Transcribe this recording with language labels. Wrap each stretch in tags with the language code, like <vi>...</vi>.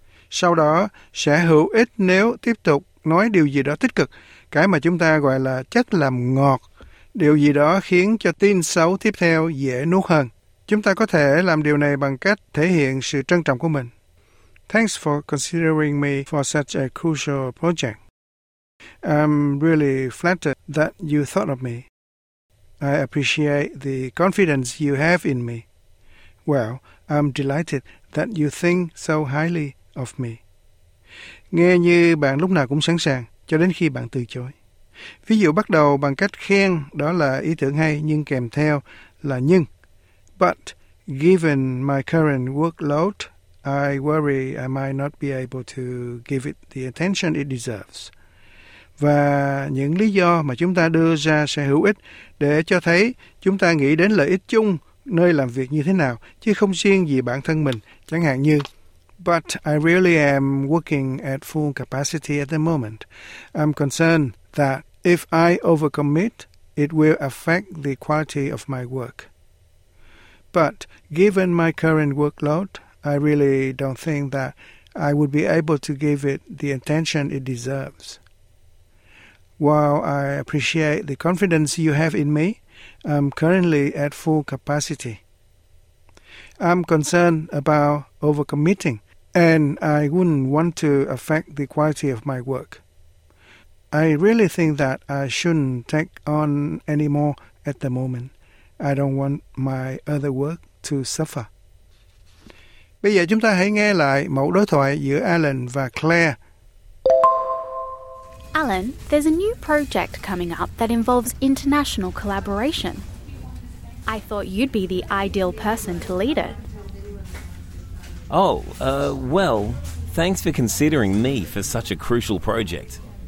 <vi>Sau đó sẽ hữu ích nếu tiếp tục nói điều gì đó tích cực, cái mà chúng ta gọi là chất làm ngọt, điều gì đó khiến cho tin xấu tiếp theo dễ nuốt hơn. Chúng ta có thể làm điều này bằng cách thể hiện sự trân trọng của mình.</vi> <en>Thanks for considering me for such a crucial project. I'm really flattered that you thought of me. I appreciate the confidence you have in me. Well, I'm delighted that you think so highly of me.</en> <vi>Nghe như bạn lúc nào cũng sẵn sàng, cho đến khi bạn từ chối. Ví dụ bắt đầu bằng cách khen, đó là ý tưởng hay, nhưng kèm theo là nhưng.</vi> <en>But given my current workload, I worry I might not be able to give it the attention it deserves.</en> <vi>Và những lý do mà chúng ta đưa ra sẽ hữu ích để cho thấy chúng ta nghĩ đến lợi ích chung nơi làm việc như thế nào, chứ không riêng gì bản thân mình. Chẳng hạn như,</vi> <en>but I really am working at full capacity at the moment. I'm concerned that if I overcommit, it will affect the quality of my work. But given my current workload, I really don't think that I would be able to give it the attention it deserves. While I appreciate the confidence you have in me, I'm currently at full capacity. I'm concerned about overcommitting, and I wouldn't want to affect the quality of my work. I really think that I shouldn't take on any more at the moment. I don't want my other work to suffer.</en> <vi>Bây giờ chúng ta hãy nghe lại mẫu đối thoại giữa Alan và Claire.</vi> <en>Alan, there's a new project coming up that involves international collaboration. I thought you'd be the ideal person to lead it. Oh, well, thanks for considering me for such a crucial project.</en>